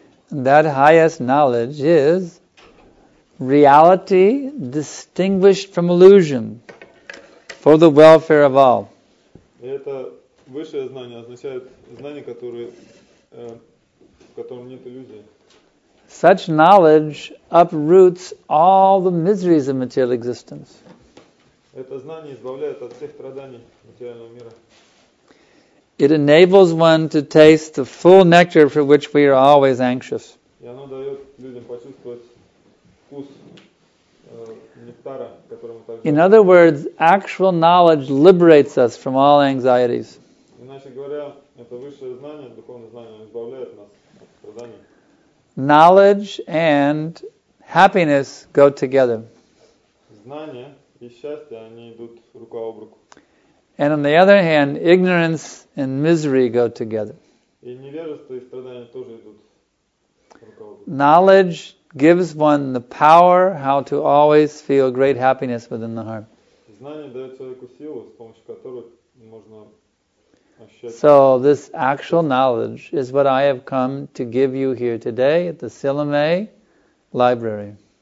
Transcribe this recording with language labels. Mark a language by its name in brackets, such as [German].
[English] And that highest knowledge is reality distinguished from illusion for the welfare of all. [Russian] И это высшее знание означает знание, в котором нет иллюзии. [English] Such knowledge uproots all the miseries of material existence. [Russian] Это знание избавляет от всех страданий материального мира. [English] It enables one to taste the full nectar for which we are always anxious. [Russian] И оно дает людям почувствовать вкус нектара, которому так. [English] In other words, actual knowledge liberates us from all anxieties. [Russian] Иначе говоря, это высшее знание, духовное знание, избавляет нас от страданий. [English] Knowledge and happiness go together. [Russian] Знание и счастье, они идут рука об руку. [English] And on the other hand, ignorance and misery go together. [Russian] И невежество и страдания тоже идут рука об руку. [English] Knowledge gives one the power how to always feel great happiness within the heart. [Russian] Знание дает человеку силу, с помощью которой можно. [English] So this actual knowledge is what I have come to give you here today at the Sillamäe Library.